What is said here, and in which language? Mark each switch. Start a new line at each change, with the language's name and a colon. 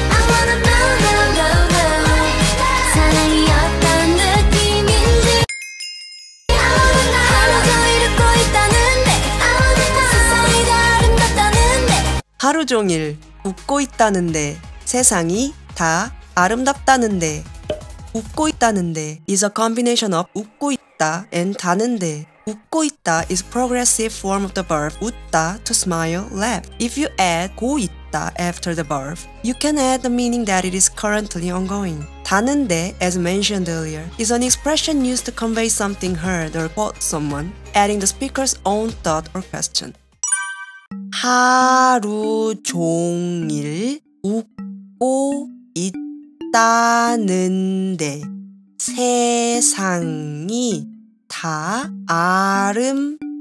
English: I wanna know, know, know, know
Korean: 사랑이 어떤 느낌인지
English: I wanna know
Korean: 하루도 이루고 있다는데
English: I wanna know
Korean: 세상이 더 아름답다는데 하루 종일 웃고 있다는데 세상이 다 아름답다는데
English: 웃고 있다는데 is a combination of 웃고 있다 and 다는데 웃고 있다 is a progressive form of the verb 웃다 to smile, laugh. If you add 고 있다 after the verb, you can add the meaning that it is currently ongoing. 다는데, as mentioned earlier, is an expression used to convey something heard or thought someone, adding the speaker's own thought or question.
Korean: 하루 종일 웃고 있다는데 세상이 다 아름답다는데